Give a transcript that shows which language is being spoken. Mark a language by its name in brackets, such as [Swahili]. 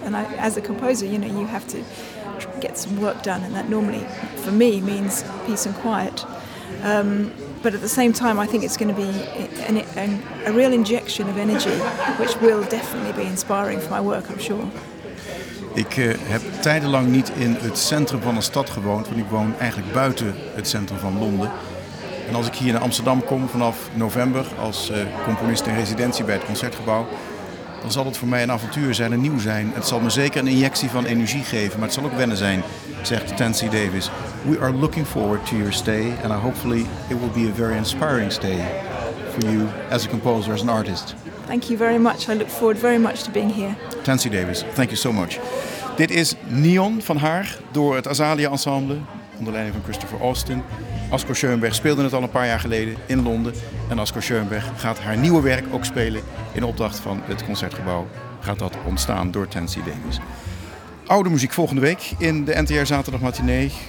[English] And I, as a composer, you know, you have to get some work done, and that normally, for me, means peace and quiet. But at the same time, I think it's going to be a real injection of energy, which will definitely be inspiring for my work, I'm sure. [Dutch] Ik heb tijdenlang niet in het centrum van een stad gewoond, want ik woon eigenlijk buiten het centrum van Londen. En als ik hier naar Amsterdam kom vanaf november als componist in residentie bij het Concertgebouw, dan zal het voor mij een avontuur zijn, een nieuw zijn. Het zal me zeker een injectie van energie geven, maar het zal ook wennen zijn, zegt Tansy Davis. [English] We are looking forward to your stay and hopefully it will be a very inspiring stay for you as a composer, as an artist. Thank you very much. I look forward very much to being here. Tansy Davis, thank you so much. [Dutch] Dit is Neon van haar door het Azalea Ensemble onder leiding van Christopher Austin. Asko Schoenberg speelde het al een paar jaar geleden in Londen. En Asko Schoenberg gaat haar nieuwe werk ook spelen in opdracht van het Concertgebouw. Gaat dat ontstaan door Tansy Davis. Oude muziek volgende week in de NTR Zaterdag Matinee.